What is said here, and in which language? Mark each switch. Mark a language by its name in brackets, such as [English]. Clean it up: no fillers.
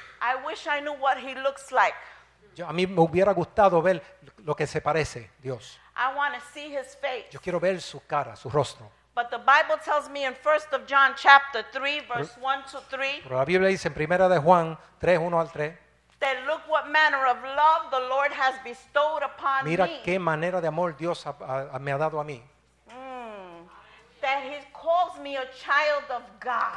[English] I wish I knew what he looks like. [Spanish] Yo, a mí me hubiera gustado ver lo que se parece Dios. [English] I want to see his face. [Spanish] Yo quiero ver su cara, su rostro. [English] But the Bible tells me in 1 John chapter 3 verse 1 to 3. [Spanish] Pero la Biblia dice en Primera de Juan 3, 1 al 3. [English] That look what manner of love the Lord has bestowed upon me. [Spanish] Mira qué manera de amor Dios me ha dado a mí. [English] That he calls me a child of God.